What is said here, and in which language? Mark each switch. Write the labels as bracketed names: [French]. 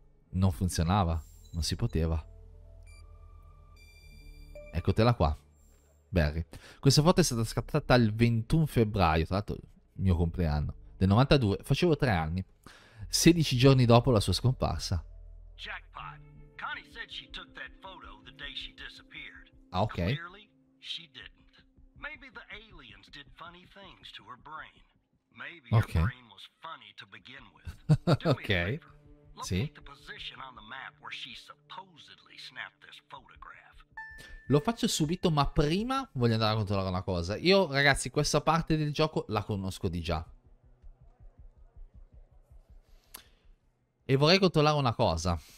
[Italian] Non funzionava, non si poteva. Eccotela qua, Barry. Questa foto è stata scattata il 21 febbraio, tra l'altro il mio compleanno. Del 92, facevo 3 anni. 16 giorni dopo la sua scomparsa. [English] Jackpot. Connie said she took that photo the day she disappeared. [Italian] Ah, ok. [English] Clearly, she didn't. Maybe the aliens did funny things to her brain. Maybe her brain was funny to begin with. [Italian] Ok. Sì. [English] Locate the position on the map where she supposedly snapped this photograph. [Italian] Lo faccio subito, ma prima voglio andare a controllare una cosa. Io, ragazzi, questa parte del gioco la conosco di già. E vorrei controllare una cosa.